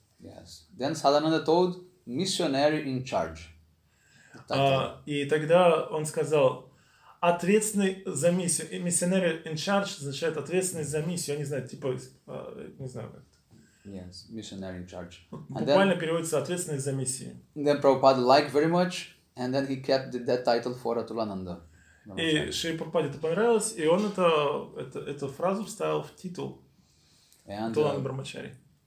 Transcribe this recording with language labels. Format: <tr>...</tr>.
<en>Yes. Then Sadananda told, missionary in charge.</en> <ru>И тогда он сказал, ответственный за миссию. Missionary in charge означает ответственный за миссию. Я не знаю, типа, не знаю как это.</ru> <en>Yes, missionary in charge.</en> <ru>And буквально переводится ответственный за миссию.</ru> <en>Then Prabhupada liked very much, and then he kept that title for Atulananda.</en> <ru>И Шри Прабхупаде это понравилось, и он эту фразу вставил в титул Атулананда Брамачари.</ru>